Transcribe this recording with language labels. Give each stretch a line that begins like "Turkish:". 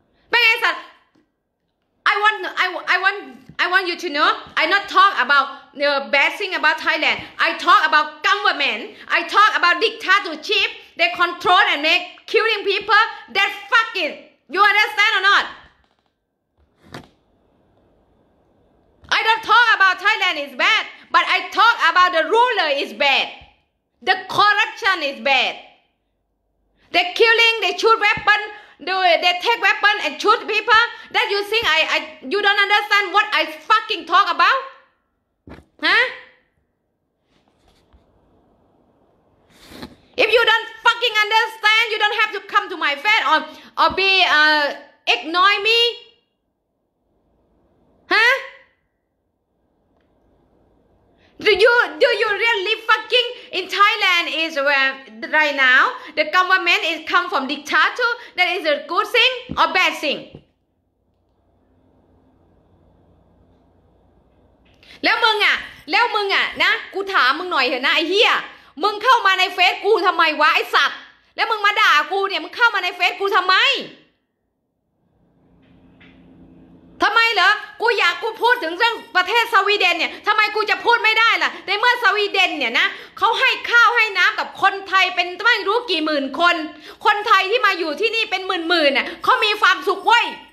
Thai: เป็นไงสัตว์
English: I want you to know I not talk about the bad thing about Thailand I talk about government I talk about dictatorship they control and make killing people that fuck it you understand or notI don't talk about Thailand is bad, but I talk about the ruler is bad. The corruption is bad. The killing, they shoot weapon, they take weapon and shoot people. That you think I you don't understand what I fucking talk about? Huh? If you don't fucking understand, you don't have to come to my face or be, ignore me. Huh? Do you really fucking in Thailand is where right now the government is come from dictator that is a good thing or bad thing?
Thai: แล้วมึงอ่ะแล้วมึงอ่ะนะกูถามมึงหน่อยเถอะนะไอ้เหี้ยมึงเข้ามาในเฟซกูทำไมวะไอ้สัตว์แล้วมึงมาด่ากูเนี่ยมึงเข้ามาในเฟซกูทำไมทำไมเหรอกูอยากกูพูดถึงเรื่องประเทศสวีเดนเนี่ยทำไมกูจะพูดไม่ได้ล่ะในเมื่อสวีเดนเนี่ยนะเขาให้ข้าวให้น้ำกับคนไทยเป็นไม่รู้กี่หมื่นคนคนไทยที่มาอยู่ที่นี่เป็นหมื่นๆเนี่ยเขามีความสุขเว้ย